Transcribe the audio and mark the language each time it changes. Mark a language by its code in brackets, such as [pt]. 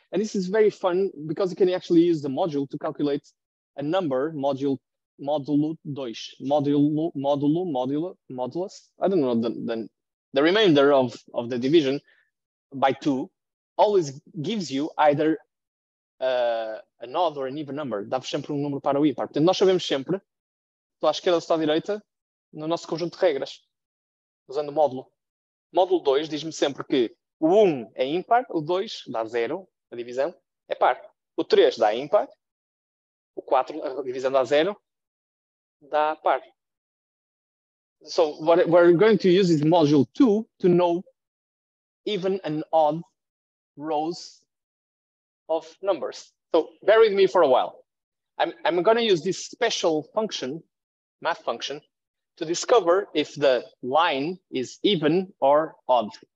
[en] And this is very fun because you can actually use the module to calculate a number, modulus. I don't know the remainder of the division by 2 always gives you either an odd or an even number. [pt] Dá-vos sempre número para o ímpar. Portanto, nós sabemos sempre, estou à esquerda ou estou à direita, no nosso conjunto de regras, usando o módulo. Módulo 2 diz-me sempre que o 1 é ímpar, o 2 dá 0, a divisão é par. O 3 dá ímpar, o 4, a divisão dá 0, dá par. [en] So what we're going to use is module 2 to know even and odd rows of numbers. So bear with me for a while. I'm going to use this special function, math function, to discover if the line is even or odd.